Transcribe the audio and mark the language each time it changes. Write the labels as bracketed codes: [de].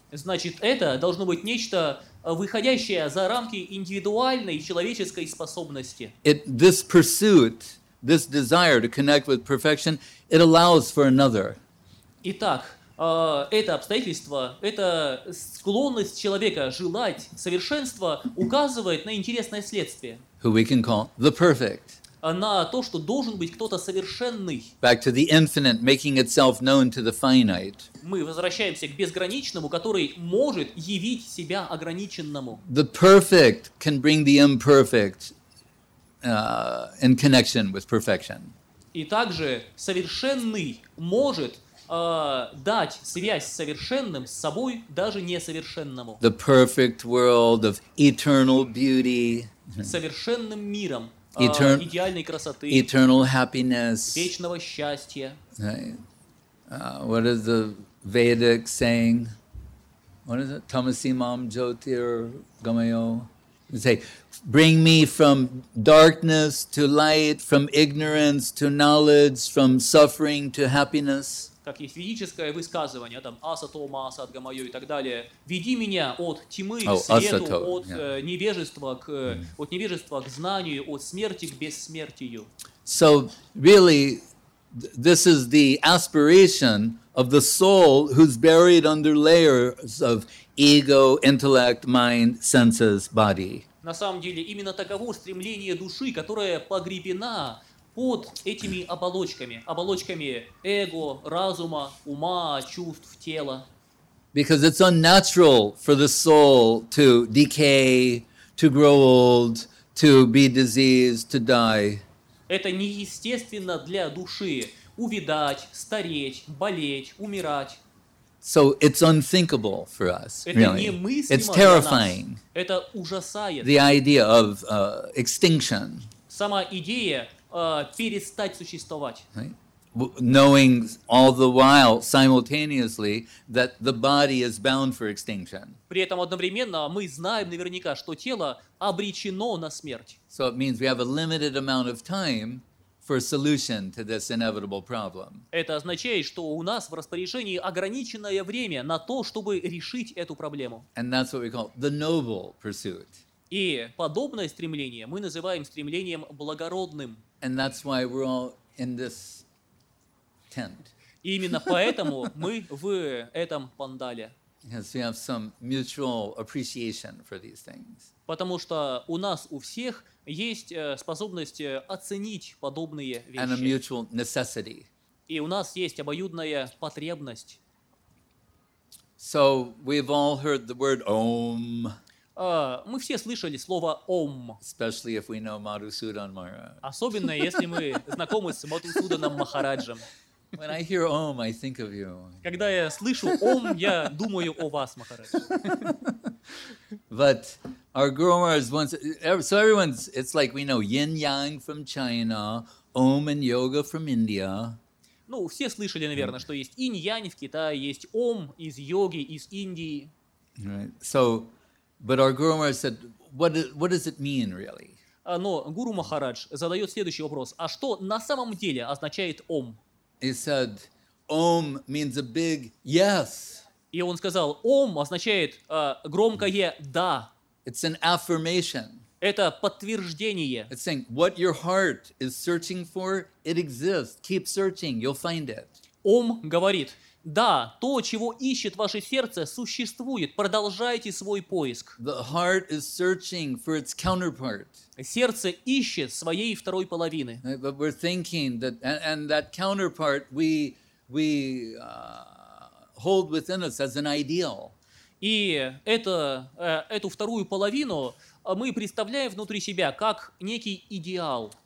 [ru] Значит, это должно быть нечто, выходящее за рамки индивидуальной человеческой способности. [en] It, this pursuit, this desire to connect with perfection, it allows for another. [ru] Итак, это обстоятельство, эта склонность человека желать совершенства указывает на интересное следствие. [en] Who we can call the perfect. [ru] На то, что должен быть кто-то совершенный. [en] Back to the infinite, making itself known to the finite. [ru] Мы возвращаемся к безграничному, который может явить себя ограниченному. [en] The perfect can bring the imperfect in connection with perfection. [ru] И также совершенный может дать связь с совершенным с собой даже несовершенному. [en] The perfect world of eternal beauty. [ru] Совершенным миром. идеальной красоты, [en] eternal happiness, [ru] вечного счастья. [en] What is the Vedic saying? What is it? [sa] Tamasimam Jyotir Gamayo. [en] Say, bring me from darkness to light, from ignorance to knowledge, from suffering to happiness. [ru] Как есть физическое высказывание, [sa] там асатома, асат гамайо [ru] и так далее. Веди меня от тьмы к свету, от невежества к от невежества к знанию, от смерти к бессмертию. [en] So really, this is the aspiration of the soul who's buried under layers of ego, intellect, mind, senses, body. [ru] На самом деле, именно таково стремление души, которая погребена под этими оболочками, оболочками эго, разума, ума, чувств, тела. [en] Because it's unnatural for the soul to decay, to grow old, to be diseased, to die. [ru] Это неестественно для души увидать, стареть, болеть, умирать. [en] So it's unthinkable for us, really. [ru] Это немыслимо для нас. [en] It's terrifying. [ru] Это ужасает. [en] The idea of extinction. [ru] Сама идея перестать существовать. [en] Right? Knowing all the while, simultaneously, that the body is bound for extinction. [ru] При этом одновременно мы знаем наверняка, что тело обречено на смерть. [en] So it means we have a limited amount of time for a solution to this inevitable problem. [ru] Это означает, что у нас в распоряжении ограниченное время на то, чтобы решить эту проблему. [en] And that's what we call the noble pursuit. [ru] И подобное стремление мы называем стремлением благородным. [en] And that's why we're all in this tent. [ru] Именно поэтому мы в этом пандале. [en] Because we have some mutual appreciation for these things. [ru] Потому что у нас у всех есть способность оценить подобные вещи. [en] And a mutual necessity. [ru] И у нас есть обоюдная потребность. [en] So we've all heard the word Om. [ru] Мы все слышали слово Ом. [en] Especially if we know Madhusudan Maharaj. [ru] Особенно если мы знакомы с Мадхусуданом Махараджем. [en] When I hear Om, I think of you. [ru] Когда я слышу Ом, я думаю о вас, Махарадж. [en] But our Guru Maharaj once, so everyone's, it's like we know Yin Yang from China, Om and Yoga from India. [ru] Ну, все слышали, наверное, что есть Инь-Янь в Китае, есть Ом из йоги, из Индии. [en] Right. So, but our Guru Maharaj said, what does it mean, really? [ru] Но Гуру Махарадж задает следующий вопрос. А что на самом деле означает Ом? [en] He said, Om means a big yes. [ru] И он сказал, Ом означает громкое да. [en] It's an affirmation. [ru] Это подтверждение. [en] It's saying, what your heart is searching for, it exists. Keep searching, you'll find it. [ru] Ом говорит, да, то, чего ищет ваше сердце, существует. Продолжайте свой поиск. [en] The heart is searching for its counterpart. [ru] Сердце ищет своей второй половины. [en] But we're thinking that, and that counterpart we hold within us as an ideal. [ru] И эту вторую половину мы представляем внутри себя как некий идеал.